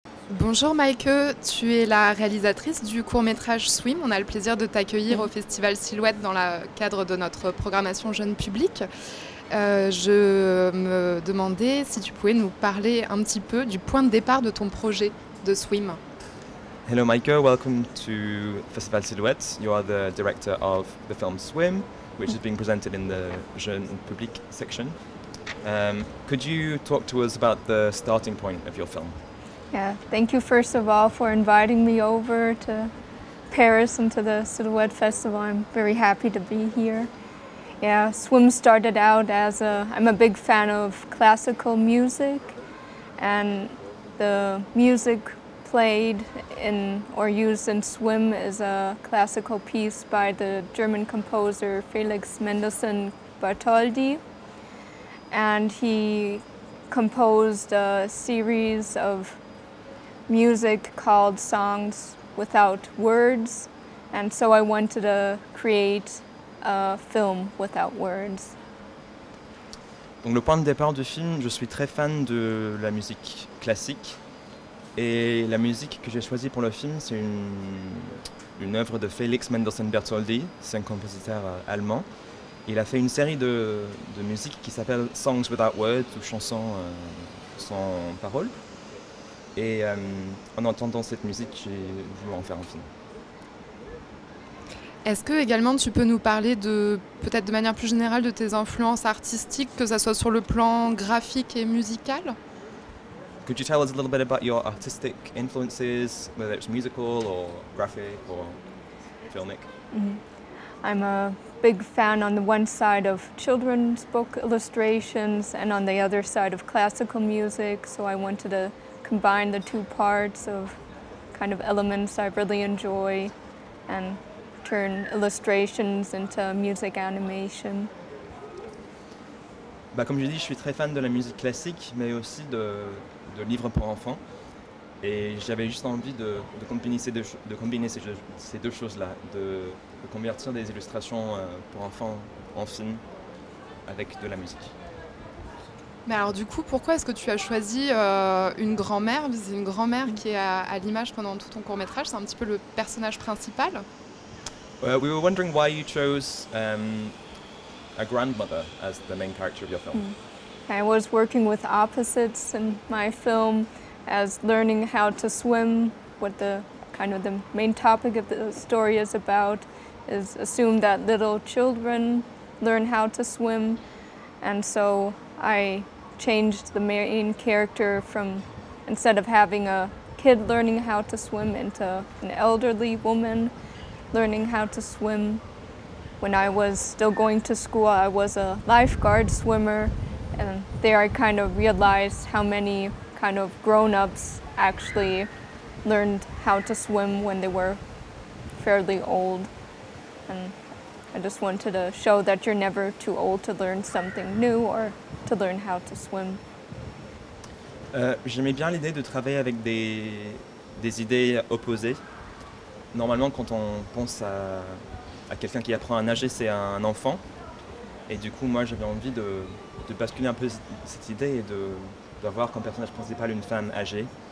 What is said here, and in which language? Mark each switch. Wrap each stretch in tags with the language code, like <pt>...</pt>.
<fr>Bonjour Maïke, tu es la réalisatrice du court-métrage Swim. On a le plaisir de t'accueillir au Festival Silhouette dans le cadre de notre programmation Jeune Public. Je me demandais si tu pouvais nous parler un petit peu du point de départ de ton projet de Swim.</fr> <en>Hello, Maïke. Welcome to Festival Silhouette. You are the director of the film Swim, which is being presented in the Jeune Public section. Could you talk to us about the starting point of your film? Yeah, thank you first of all for inviting me over to Paris and to the Silhouette Festival. I'm very happy to be here. Yeah, Swim started out as I'm a big fan of classical music, and the music played in or used in Swim is a classical piece by the German composer Felix Mendelssohn Bartholdy, and he composed a series of music called Songs Without Words, and so I wanted to create a film without words.</en> <fr>Donc le point de départ du film, je suis très fan de la musique classique. Et la musique que j'ai choisie pour le film, c'est une œuvre de Felix Mendelssohn Bartholdy, c'est un compositeur allemand. Il a fait une série de musique qui s'appelle Songs Without Words, ou chansons sans paroles. Et en entendant cette musique, j'ai voulu en faire un film. Est-ce que également tu peux nous parler de peut-être de manière plus générale de tes influences artistiques, que ce soit sur le plan graphique et musical?</fr> <en>Could you tell us a little bit about your artistic influences, whether it's musical or graphic or filmic? I'm a big fan on the one side of children's book illustrations and on the other side of classical music, so I wanted to combine the two parts of kind of elements I really enjoy and turn illustrations into music animation.</en> <fr>Bah, comme je dis, je suis très fan de la musique classique, mais aussi de livres pour enfants. Et j'avais juste envie de combiner ces deux choses-là, de convertir des illustrations pour enfants en film avec de la musique. Mais alors du coup, pourquoi est-ce que tu as choisi une grand-mère? C'est une grand-mère qui est à l'image pendant tout ton court-métrage, c'est un petit peu le personnage principal.</fr> <en>We were wondering why you chose a grandmother as the main character of your film. I was working with opposites in my film as learning how to swim. What the kind of the main topic of the story is about is assume that little children learn how to swim. And so I changed the main character from instead of having a kid learning how to swim into an elderly woman learning how to swim. When I was still going to school, I was a lifeguard swimmer, and there I kind of realized how many kind of grown-ups actually learned how to swim when they were fairly old. And I just wanted to show that you're never too old to learn something new or to learn how to swim.</en> <fr>J'aimais bien l'idée de travailler avec des idées opposées. Normalement, quand on pense à quelqu'un qui apprend à nager, c'est un enfant. Et du coup, moi, j'avais envie de basculer un peu cette idée et d'avoir comme personnage principal une femme âgée.</fr>